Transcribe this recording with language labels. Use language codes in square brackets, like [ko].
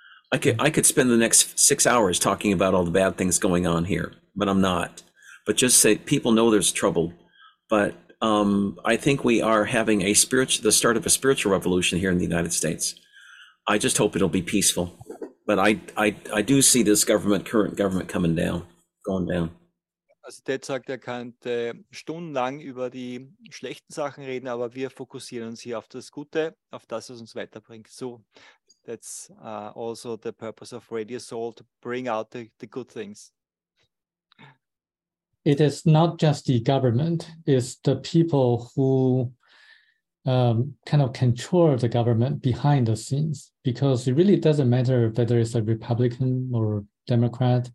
[en] I could spend the next 6 hours talking about all the bad things going on here, but I'm not. But just say people know there's trouble. But I think we are having the start of a spiritual revolution here in the United States. I just hope it'll be peaceful. But I do see this current government coming down, going down. [de] Also Ted sagt, er könnte stundenlang über die schlechten Sachen reden, aber wir fokussieren uns hier auf das Gute, auf das, was uns weiterbringt. [en] So, that's also the purpose of Radio Soul, to bring out the good things. It is not just the government, it's the people who kind of control the government behind the scenes, because it really doesn't matter whether it's a Republican or Democrat.